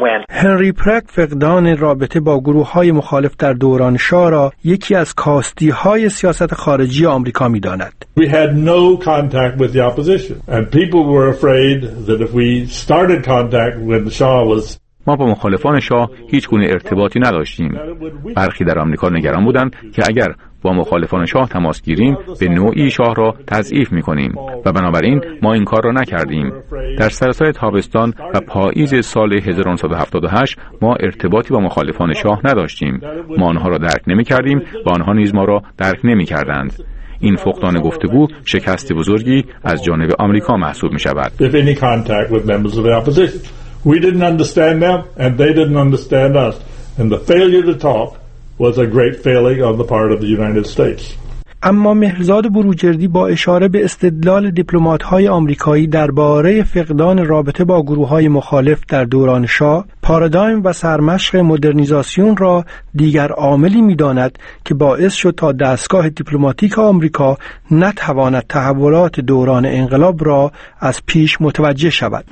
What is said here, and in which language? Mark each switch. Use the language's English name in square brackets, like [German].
[Persian] هنری پرک فقدان رابطه با گروه‌های مخالف در دوران شاه را یکی از کاستی‌های سیاست خارجی آمریکا می‌داند. [English] We had no contact with the opposition and people were afraid that if we started contact when the Shah was [Persian] ما با مخالفان شاه هیچ گونه ارتباطی نداشتیم. برخی در آمریکا نگران بودند که اگر با مخالفان شاه تماس گیریم به نوعی شاه را تضعیف می‌کنیم و بنابراین ما این کار را نکردیم. در سراسر تابستان و پاییز سال 1978 ما ارتباطی با مخالفان شاه نداشتیم. ما آنها را درک نمی‌کردیم و آنها نیز ما را درک نمی‌کردند. این فقدان گفتگو شکست بزرگی از جانب آمریکا محسوب می‌شود. [English] We didn't understand them and they didn't understand us and the failure to talk was a great failing on the part of the United States. [Persian] اما مهرزاد بروجردی با اشاره به استدلال دیپلمات‌های آمریکایی درباره فقدان رابطه با گروه‌های مخالف در دوران شاه، پارادایم و سرمشق مدرنیزاسیون را دیگر عاملی می‌داند که باعث شد تا دستگاه دیپلماتیک آمریکا نتواند تحولات دوران انقلاب را از پیش متوجه شود.